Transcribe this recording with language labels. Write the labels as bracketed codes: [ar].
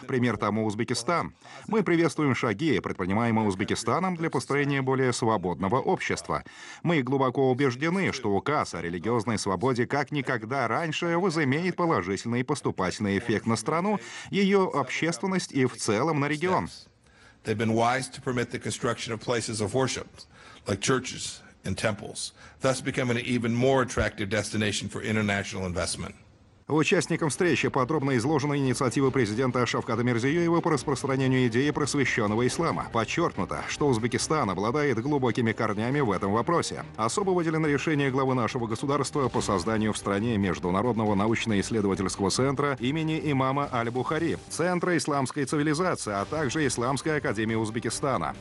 [ru] Пример тому Узбекистан. Мы приветствуем шаги, предпринимаемые Узбекистаном для построения более свободного общества. Мы глубоко убеждены, что указ о религиозной свободе как никогда раньше возымеет положительный и поступательный эффект на страну, ее общественность и в целом на регион. [en] They've been wise to permit the construction of places of worship, like churches and temples, thus becoming an even more attractive destination for international investment. [ru] Участникам встречи подробно изложена инициатива президента Шавката Мирзиёева по распространению идеи просвещенного ислама. Подчеркнуто, что Узбекистан обладает глубокими корнями в этом вопросе. Особо выделено решение главы нашего государства по созданию в стране Международного научно-исследовательского центра имени имама Аль-Бухари, Центра исламской цивилизации, а также Исламской академии Узбекистана.